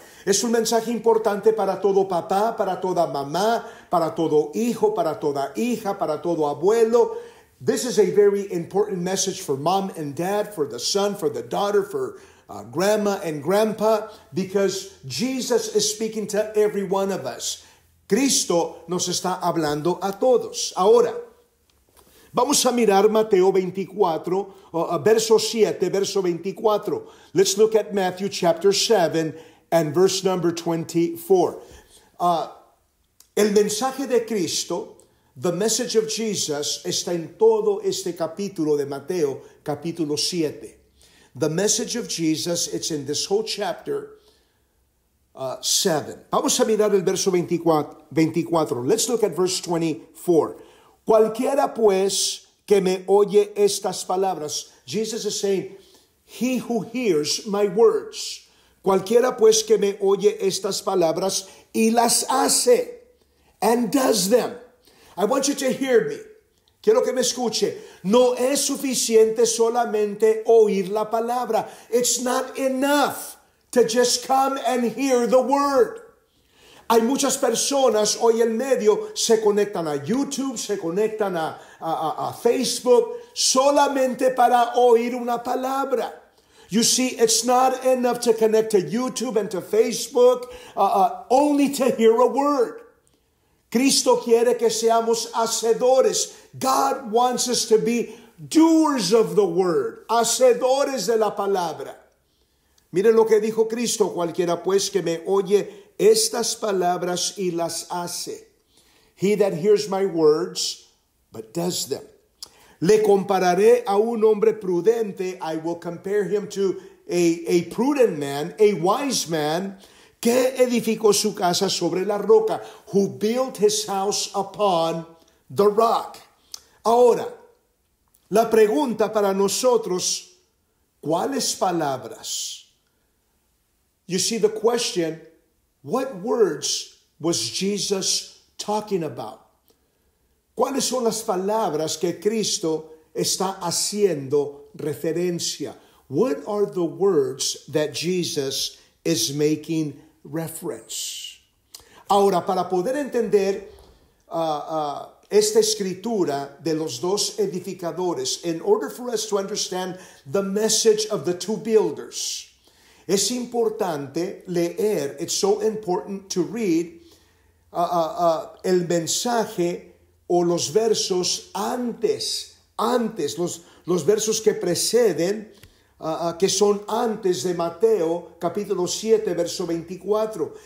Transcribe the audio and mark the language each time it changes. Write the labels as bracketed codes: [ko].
[es] Es un mensaje importante para todo papá, para toda mamá, para todo hijo, para toda hija, para todo abuelo. [en] This is a very important message for mom and dad, for the son, for the daughter, for grandma and grandpa, because Jesus is speaking to every one of us. [es] Cristo nos está hablando a todos. Ahora, vamos a mirar Mateo 24, verso 7, verso 24. [en] Let's look at Matthew chapter 7 and verse number 24. [es] El mensaje de Cristo, [en] the message of Jesus, [es] está en todo este capítulo de Mateo, capítulo 7. [en] The message of Jesus, it's in this whole chapter 7. [es] Vamos a mirar el verso 24. [en] Let's look at verse 24. [es] Cualquiera pues que me oye estas palabras. [en] Jesus is saying, he who hears my words. [es] Cualquiera pues que me oye estas palabras y las hace. [en] And does them. I want you to hear me. [es] Quiero que me escuche. No es suficiente solamente oír la palabra. [en] It's not enough to just come and hear the word. [es] Hay muchas personas hoy en medio se conectan a YouTube, se conectan a Facebook solamente para oír una palabra. [en] You see, it's not enough to connect to YouTube and to Facebook only to hear a word. [es] Cristo quiere que seamos hacedores. [en] God wants us to be doers of the word, [es] hacedores de la palabra. Miren lo que dijo Cristo, cualquiera pues que me oye estas palabras y las hace. [en] He that hears my words, but does them. [es] Le compararé a un hombre prudente, [en] I will compare him to a prudent man, a wise man, [es] que edificó su casa sobre la roca, [en] who built his house upon the rock. [es] Ahora, la pregunta para nosotros, ¿cuáles palabras? [en] You see the question, what words was Jesus talking about? [es] ¿Cuáles son las palabras que Cristo está haciendo referencia? [en] What are the words that Jesus is making reference? [es] Ahora, para poder entender esta escritura de los dos edificadores, [en] in order for us to understand the message of the two builders, [es] es importante leer, [en] it's so important to read [es] el mensaje o los versos antes, los versos que preceden, que son antes de Mateo, capítulo 7, verso 24.